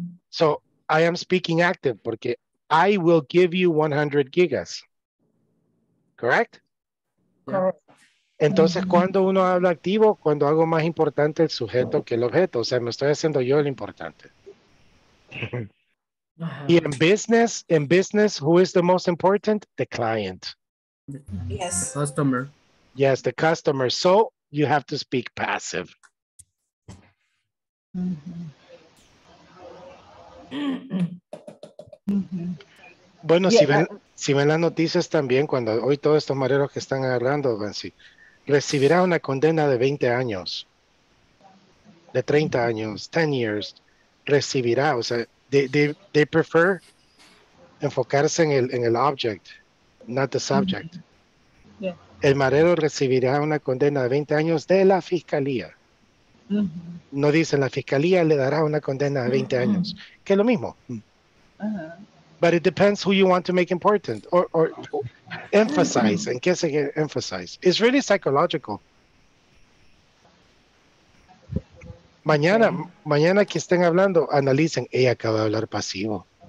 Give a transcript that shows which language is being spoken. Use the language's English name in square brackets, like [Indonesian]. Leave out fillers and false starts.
[English] So I am speaking active [Spanish] porque [English] I will give you 100 gigas. Correct? [Spanish] Entonces, cuando uno habla activo, cuando hago más importante el sujeto que el objeto, o sea, me estoy haciendo yo el importante. [English] Uh-huh. [Spanish] Y en [English] business, who is the most important? The client. Yes. The customer. Yes, the customer. So you have to speak passive. Mm-hmm. [Spanish] Bueno, yeah, Si ven las noticias también, cuando hoy todos estos mareros que están agarrando, Nancy, recibirá una condena de 20 años, de 30 años, [English] 10 years, [Spanish] recibirá, o sea, [English] they prefer [Spanish] enfocarse en el [English] object, not the subject. Mm-hmm. Yeah. [Spanish] El marero recibirá una condena de 20 años de la fiscalía. Mm-hmm. No dicen, la fiscalía le dará una condena de 20 mm-hmm. años, que es lo mismo. Uh-huh. [English] But it depends who you want to make important or emphasize. Mm-hmm. And guess again, emphasize. It's really psychological. [Spanish] Mañana, mm-hmm. mañana que estén hablando, analicen. Ella acaba de hablar pasivo.